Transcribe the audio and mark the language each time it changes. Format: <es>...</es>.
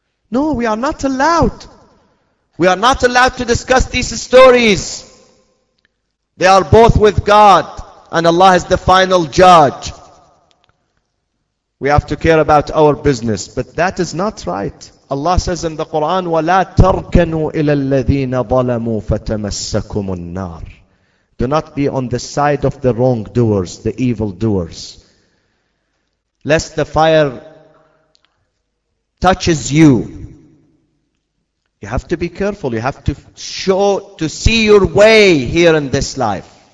<en>No, we are not allowed. We are not allowed to discuss these stories. They are both with God, and Allah is the final judge. We have to care about our business, but that is not right. Allah says in the Quran,</en> <ar>وَلَا تَرْكَنُوا إِلَى الَّذِينَ ظَلَمُوا فَتَمَسَّكُمُ النَّارِ.</ar> <en>Do not be on the side of the wrongdoers, the evildoers, lest the fire touches you. You have to be careful. You have to show, to see your way here in this life.</en>